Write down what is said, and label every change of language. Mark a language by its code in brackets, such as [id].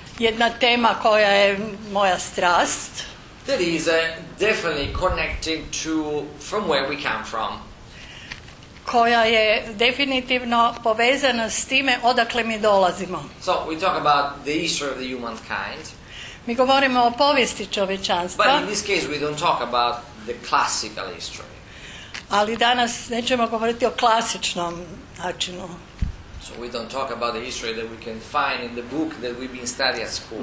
[hr] Jedna tema koja je moja strast. [en] That is definitely connected to from where we come from. [hr] Koja je definitivno povezana s time odakle mi dolazimo. [en] So we talk about the history of the humankind. [hr] Mi govorimo o povijesti čovječanstva. [en] But in this case we don't talk about the classical history. [hr] Ali danas nećemo govoriti o klasičnom načinu. [en] So we don't talk about the history that we can find in the book that we've been studying at school.